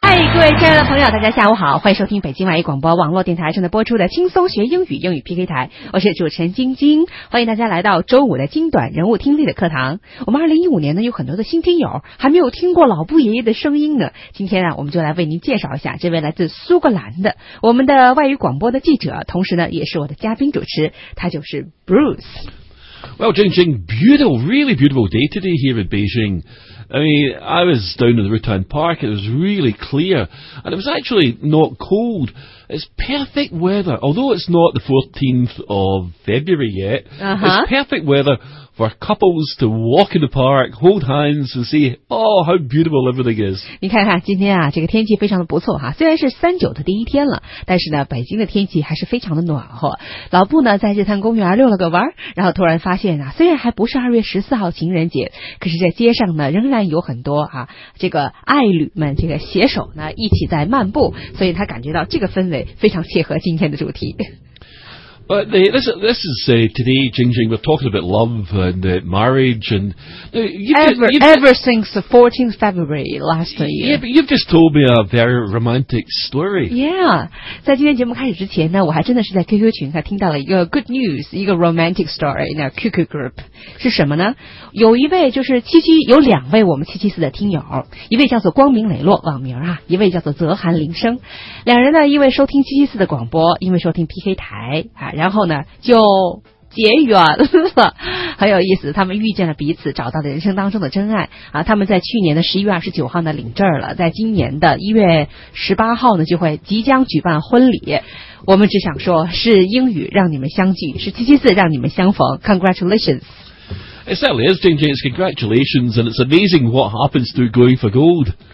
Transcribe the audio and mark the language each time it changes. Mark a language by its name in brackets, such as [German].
[Chinese] 嗨，亲爱的朋友，大家下午好，欢迎收听北京外语广播网络电台上的播出的轻松学英语英语 PK 台，我是主持人晶晶，欢迎大家来到周五的精短人物听力的课堂。我们2015年呢有很多的新听友还没有听过老布爷爷的声音呢，今天啊我们就来为您介绍一下这位来自苏格兰的我们的外语广播的记者，同时呢也是我的嘉宾主持，他就是 Bruce。 [English] Well, Jing Jing, beautiful, really beautiful day today here in Beijing. I mean, I was down in the Rutan Park, it was really clear, and it was actually not cold. It's perfect weather, although it's not the 14th of February yet. Uh-huh. It's perfect weather for couples to walk in the park, hold hands and say, oh, how beautiful everything is. [Chinese] 你看看今天啊，这个天气非常的不错哈，虽然是三九的第一天了，但是呢，北京的天气还是非常的暖和。老布呢，在日坛公园溜了个弯，然后突然发现啊，虽然还不是2月14号情人节，可是在街上呢，仍然有很多啊，这个爱侣们这个携手呢，一起在漫步，所以他感觉到这个氛围非常切合今天的主题。 [English] But today, Jing Jing, we're talking about love and marriage and... Ever since the 14th February last year. Yeah, but you've just told me a very romantic story. [Chinese] Yeah, 在今天节目开始之前呢，我还真的是在 QQ 群还听到了一个 [English] good news, [Chinese] 一个 [English] romantic story in our QQ group. [Chinese] 是什么呢？有一位就是有两位我们774的听友，一位叫做光明磊落网名啊，一位叫做泽涵铃声。两人呢，因为收听774的广播，因为收听 PK 台啊，然后呢就结缘了，很有意思，他们遇见了彼此，找到了人生当中的真爱啊！他们在去年的11月29号呢领证了，在今年的1月18号呢就会即将举办婚礼。我们只想说，是英语让你们相聚，是774让你们相逢。 [English] Congratulations。 It certainly is, Jing Jing. It's congratulations, and it's amazing what happens through going for gold.